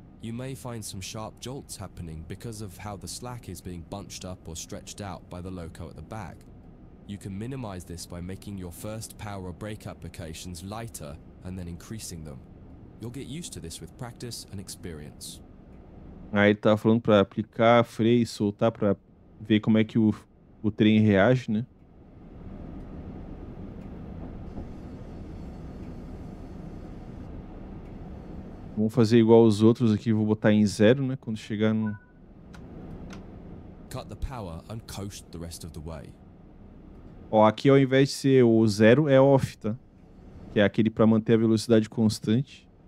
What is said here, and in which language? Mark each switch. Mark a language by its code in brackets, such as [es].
[en] You may find some sharp jolts happening because of how the slack is being bunched up or stretched out by the loco at the back. You can minimize this by making your first power or brake applications lighter and then increasing them. You'll get used to this with practice and experience. [pt] Aí ele tá falando para aplicar freio e soltar para ver como é que o trem reage, né? Vamos fazer igual os outros aqui, vou botar em zero, né, quando chegar no... [en] Cut the power and coast the rest of the way. [pt] Ó, aqui ao invés de ser o zero, é off, tá? Que é aquele para manter a velocidade constante.